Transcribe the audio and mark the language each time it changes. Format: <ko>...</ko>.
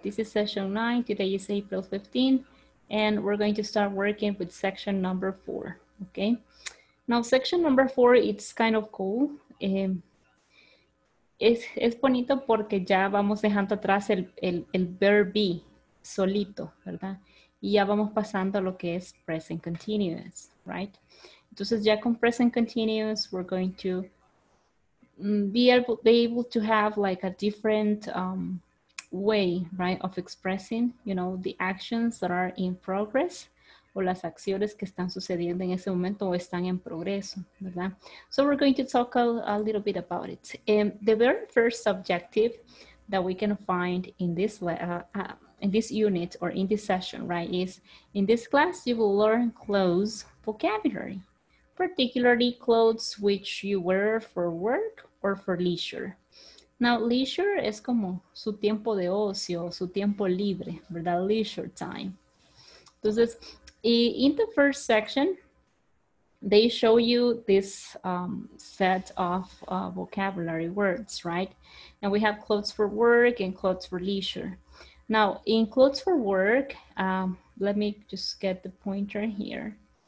<en>This is session 9, today is April 15, and we're going to start working with section number 4, okay? Now, section number 4, it's kind of cool.</en> <es>Es bonito porque ya vamos dejando atrás el</es> <en>verb be</en> <es>solito, ¿verdad? Y ya vamos pasando a lo que es</es> <en>present continuous, right?</en> <es>Entonces, ya con</es> <en>present continuous, we're going to be able to have like a different way, right, of expressing, you know, the actions that are in progress,</en> <es>o las acciones que están sucediendo en ese momento o están en progreso,</es> <en>¿verdad? So we're going to talk a little bit about it. And the very first objective that we can find in this unit or in this session, right, is in this class you will learn clothes vocabulary, particularly clothes which you wear for work or for leisure. Now, leisure</en> <es>es como su tiempo de ocio, su tiempo libre, ¿verdad?</es> <en>Leisure time.</en> <es>Entonces,</es> <en>in the first section, they show you this set of vocabulary words, right? And we have clothes for work and clothes for leisure. Now, in clothes for work, let me just get the pointer here.</en>